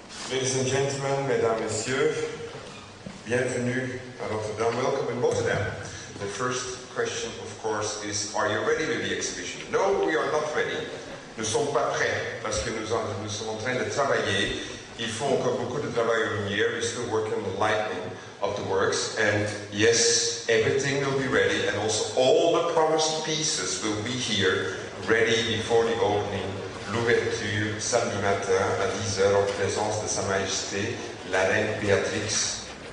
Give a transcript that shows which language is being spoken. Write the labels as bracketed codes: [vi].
[en] Ladies and gentlemen, [fr] mesdames, messieurs, bienvenue à Rotterdam, [en] welcome in Rotterdam. The first question, of course, is, are you ready with the exhibition? No, we are not ready. [fr] Nous ne sommes pas prêts, parce que nous sommes en train de travailler. Il faut encore beaucoup de travail en hier. [en] We're still working on the lighting of the works. And yes, everything will be ready, and also all the promised pieces will be here, ready before the opening. [fr] L'ouverture samedi matin à 10h en présence de Sa Majesté la Reine Béatrix.